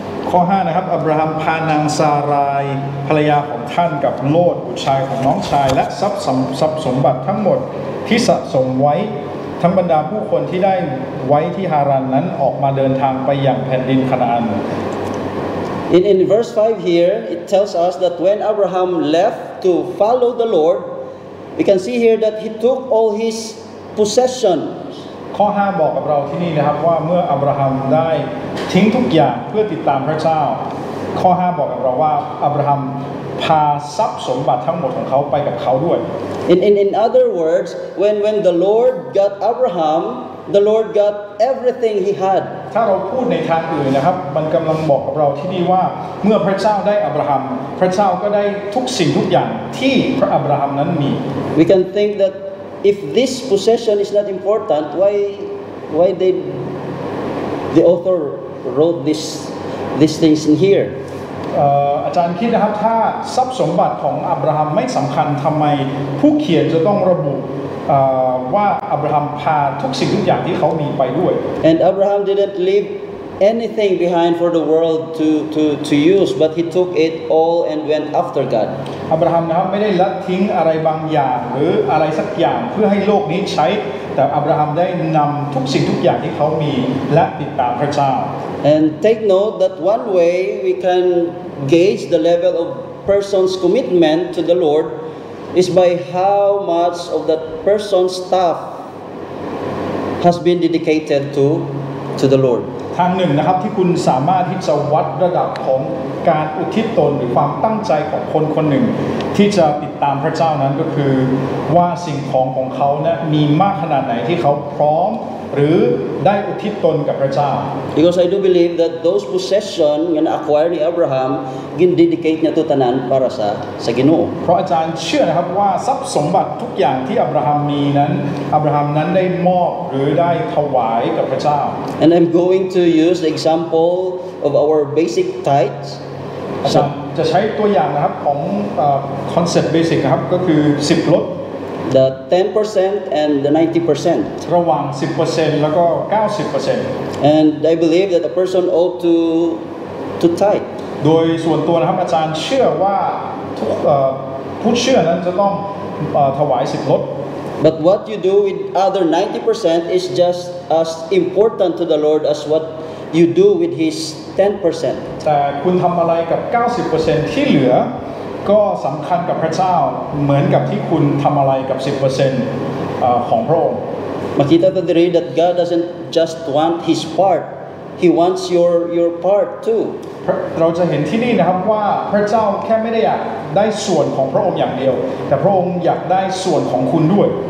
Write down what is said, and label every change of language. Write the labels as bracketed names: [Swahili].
[Thai] ข้อ5นะครับอับราฮัมพานางซารายภรรยาของท่านกับโลดบุตรชายของน้องชายและทรัพย์สมบัติทั้งหมดที่สะสมไว้ทั้งบรรดาผู้คนที่ได้ไว้ที่ฮารันนั้นออกมาเดินทางไปยังแผ่นดินคานาอัน [English] In verse 5 here, it tells us that when Abraham left to follow the Lord, we can see here that he took all his possessions. [Thai] ข้อ5บอกกับเราที่นี่นะครับว่าเมื่ออับราฮัมได้ทิ้งทุกอย่างเพื่อติดตามพระเจ้าข้อ5บอกกับเราว่าอับราฮัมพาทรัพย์สมบัติทั้งหมดของเขาไปกับเขาด้วย [English] In other words, when the Lord got Abraham,The Lord got everything he had. [Thai] ถ้าเราพูดในทางอื่นนะครับมันกำลังบอกกับเราที่นี่ว่าเมื่อพระเจ้าได้อับราฮัมพระเจ้าก็ได้ทุกสิ่งทุกอย่างที่พระอับราฮัมนั้นมี [English] We can think that if this possession is not important, why the author wrote these things in here? [Thai] อาจารย์คิดนะครับถ้าทรัพย์สมบัติของอับราฮัมไม่สำคัญทำไมผู้เขียนจะต้องระบุว่าอับราฮัมพาทุกสิ่งทุกอย่างที่เขามีไปด้วย [English] And Abraham didn't leave anything behind for the world to use but he took it all and went after God [Thai] อับราฮัมนะครับไม่ได้ละทิ้งอะไรบางอย่างหรืออะไรสักอย่างเพื่อให้โลกนี้ใช้แต่อับราฮัมได้นำทุกสิ่งทุกอย่างที่เขามีและติดตามพระเจ้า [English] And take note that one way we can gauge the level of person's commitment to the LordIs by how much of that person's stuff has been dedicated to the Lord. [Thai] ทางหนึ่งนะครับที่คุณสามารถที่จะวัดระดับของการอุทิศตนหรือความตั้งใจของคนคนหนึ่ง ที่จะติดตามพระเจ้านั้นก็คือว่าสิ่งของของเขาเนี่ยมีมากขนาดไหนที่เขาพร้อมหรือได้อุทิศตนกับพระเจ้า [English] Because I do believe that those possession [Waray] ngan [English] acquire [Waray] ni [English] Abraham [Waray] gin dedicate niya to tanan para sa Ginoo [Thai] เพราะอาจารย์เชื่อนะครับว่าทรัพย์สมบัติทุกอย่างที่อับราฮัมมีนั้นอับราฮัมนั้นได้มอบหรือได้ถวายกับพระเจ้า [English] And I'm going to use the example of our basic tithes [Thai] จะใช้ตัวอย่างนะครับของคอนเซ็ปต์เบสิกครับก็คือ10ลด [English] the 10% and the 90% [Thai] ระหว่าง 10% แล้วก็ 90% [English] and I believe that a person ought to tithe [Thai] โดยส่วนตัวนะครับอาจารย์เชื่อว่าทุกผู้เชื่อนั้นจะต้องถวาย10ลด [English] but what you do with other 90% is just as important to the Lord as whatYou do with his 10%. [Thai] แต่คุณทำอะไรกับ 90% ที่เหลือก็สำคัญกับพระเจ้าเหมือนกับที่คุณทำอะไรกับ 10% ของพระองค์ [Waray] Makita tadi [English] that God doesn't just want his part. He wants your part too. [Thai] เราจะเห็นที่นี่นะครับว่าพระเจ้าแค่ไม่ได้อยากได้ส่วนของพระองค์อย่างเดียวแต่พระองค์อยากได้ส่วนของคุณด้วย